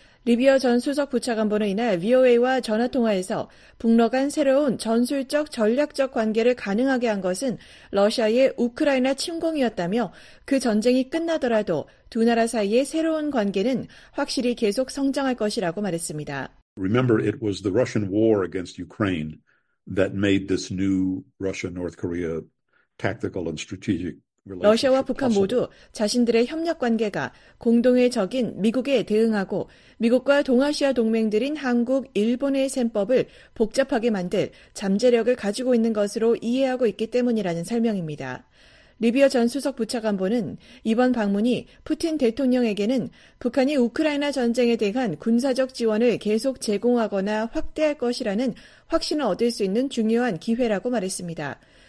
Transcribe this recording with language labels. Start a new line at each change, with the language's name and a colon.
Korean: 리비어 전 수석 부차관보는 이날 VOA와 전화통화에서 북러 간 새로운 전술적 전략적 관계를 가능하게 한 것은 러시아의 우크라이나 침공이었다며 그 전쟁이 끝나더라도 두 나라 사이의 새로운 관계는 확실히 계속 성장할 것이라고 말했습니다.
English: Remember, it was the Russian war against Ukraine that made this new Russia-North Korea tactical and strategic
Korean: 러시아와 북한 모두 자신들의 협력 관계가 공동의 적인 미국에 대응하고 미국과 동아시아 동맹들인 한국, 일본의 셈법을 복잡하게 만들 잠재력을 가지고 있는 것으로 이해하고 있기 때문이라는 설명입니다. 리비어 전 수석 부차관보는 이번 방문이 푸틴 대통령에게는 북한이 우크라이나 전쟁에 대한 군사적 지원을 계속 제공하거나 확대할 것이라는 확신을 얻을 수 있는 중요한 기회라고 말했습니다.